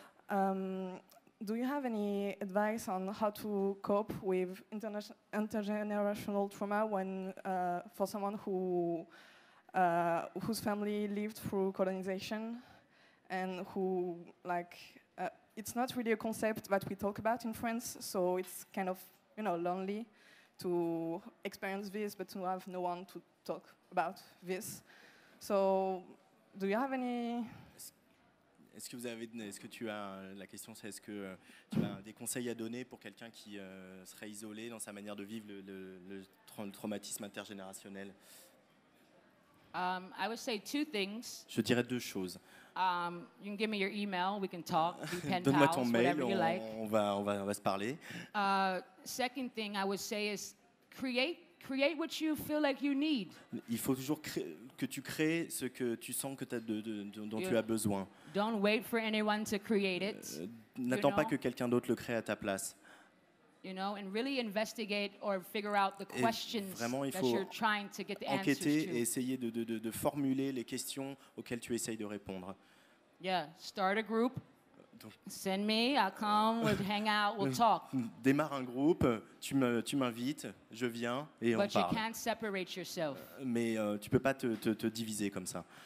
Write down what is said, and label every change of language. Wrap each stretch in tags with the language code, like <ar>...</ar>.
<en>Do you have any advice on how to cope with intergenerational trauma when, for someone who whose family lived through colonization, and who, like, it's not really a concept that we talk about in France, so it's kind of, you know, lonely to experience this, but to have no one to talk about this. So, do you have any?</en> <fr>Est-ce que vous avez, est-ce que tu as, la question c'est est-ce que tu as des conseils à donner pour quelqu'un qui serait isolé dans sa manière de vivre le traumatisme intergénérationnel?</fr> <en>I would say two things.</en> <fr>Je dirais deux choses.</fr> <en>You can give me your email, we can talk, be pen pals,</en> <fr>donne-moi ton mail,</fr> <en>whatever you like.</en> <fr>On va se parler.</fr> <en>Second thing I would say is create what you feel like you need.</en> <fr>Il faut toujours que tu crées ce que tu sens que t'as dont tu as besoin.</fr> <en>Don't wait for anyone to create it.</en> <fr>N'attends pas que quelqu'un d'autre le crée à ta place.</fr> <en>You know, and really investigate or figure out the questions</en> <fr>vraiment,</fr> <en>that you're trying to get the answers to.</en> <fr>Enquêter et essayer de formuler les questions auxquelles tu essayes de répondre.</fr> <en>Yeah, start a group. Send me, I'll come, we'll hang out, we'll talk.</en> <fr>Démarre un groupe, tu m'invites, je viens et on</fr> <en>But</en> <fr>parle.</fr> <en>But you can't separate yourself.</en> <fr>Mais tu peux pas te diviser comme ça.</fr>